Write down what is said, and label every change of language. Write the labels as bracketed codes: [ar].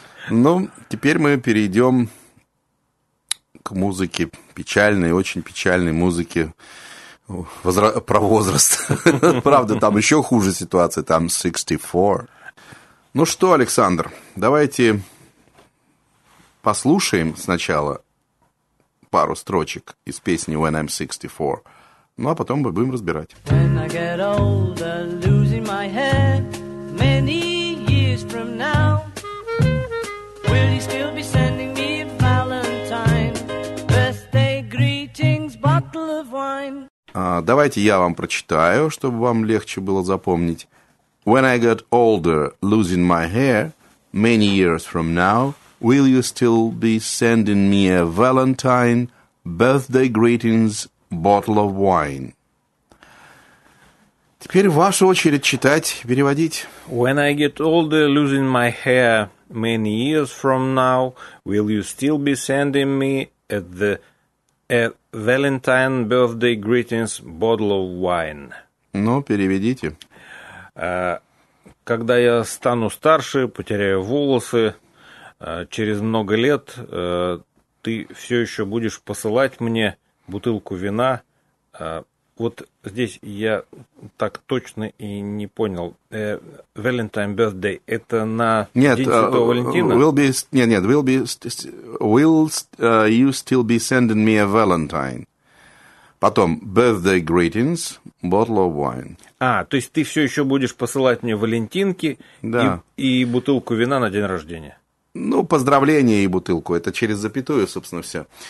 [ru] Ну, теперь мы перейдем к музыке печальной, очень печальной музыке про возраст. Правда, там еще хуже ситуация, там 64. Ну что, Александр, давайте послушаем сначала пару строчек из песни «When I'm 64», ну а потом мы будем разбирать. [en] When I get older, losing my head, many years from now, will you still be sending me a valentine, birthday greetings, bottle of wine? [ru] Давайте я вам прочитаю, чтобы вам легче было запомнить. [en] When I get older, losing my hair, many years from now, will you still be sending me a valentine, birthday greetings, bottle of wine? [ru] Теперь ваша очередь читать, переводить. [en] When I get older, losing my hair, many years from now, will you still be sending me a valentine, birthday greetings, bottle of wine? [ru] Ну, переведите. Когда я стану старше, потеряю волосы, через много лет ты все еще будешь посылать мне бутылку вина. Вот здесь я так точно и не понял. Valentine birthday – это на день Святого Валентина? [en] You still be sending me a valentine. Потом birthday greetings, bottle of wine. [ru] То есть ты все еще будешь посылать мне валентинки, да, и бутылку вина на день рождения? Ну, поздравления и бутылку. Это через запятую, собственно, все.